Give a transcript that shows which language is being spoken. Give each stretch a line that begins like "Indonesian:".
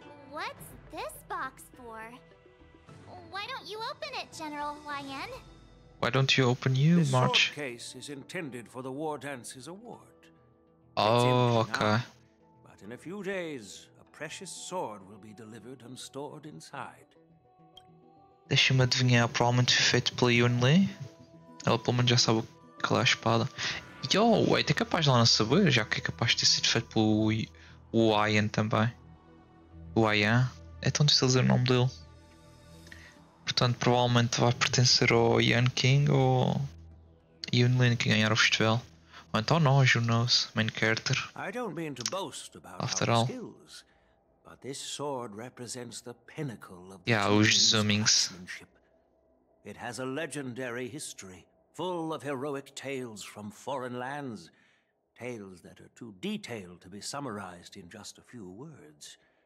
English: What's this box for? Why don't you open it, General Huaiyan? Why don't you open you, this March? This case is intended for the War Dance's award. Oh, okay. But in a few days, a precious sword will be delivered and stored inside.
Portuguese: Deixa-me adivinhar, provavelmente feito pela Yunli. Ela pelo menos já sabe que é a espada.
English: Yo, wait,
Portuguese: é capaz de ela não saber, já que é capaz de ter sido feito pelo Huaiyan também. Huaiyan? É tão difícil dizer o nome dele. Portanto, provavelmente vai pertencer ao Yanqing ou Yunli que ganhar o festival. Ou então nós,
English: who knows, main character. I don't mean to boast about after all. Skills, but this sword represents the pinnacle of the Zhumings. It has a legendary history, full of heroic tales from foreign lands. Tales that are too detailed to be summarized in just a few words.